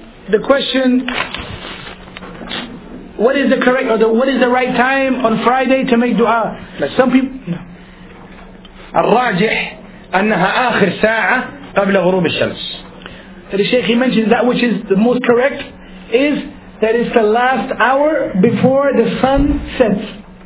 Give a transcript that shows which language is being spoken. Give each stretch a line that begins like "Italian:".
English: The question: what is the correct or the, what is the right time on Friday to make du'a? Some people.
Arabic: الراجح أنها آخر ساعة قبل غروب الشمس.
English: The Sheikh he mentions that which is the most correct is that it's the last hour before the sun sets.